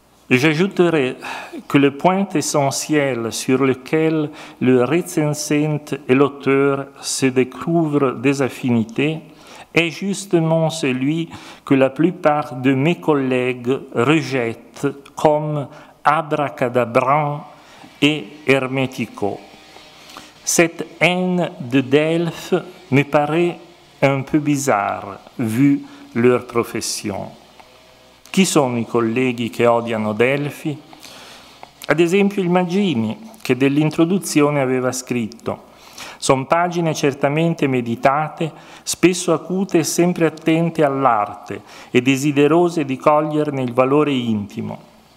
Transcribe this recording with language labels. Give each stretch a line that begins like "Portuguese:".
French: j'ajouterai que le point essentiel sur lequel le recensent et l'auteur se découvrent des affinités est justement celui que la plupart de mes collègues rejettent comme abracadabrant et hermético. Cette haine de Delphes me paraît un peu bizarre vu leur profession.
Italian: Chi sono i colleghi che odiano Delphi? Ad esempio il Maggini, che dell'introduzione aveva scritto: «Son pagine certamente meditate, spesso acute e sempre attente all'arte e desiderose di coglierne il valore intimo.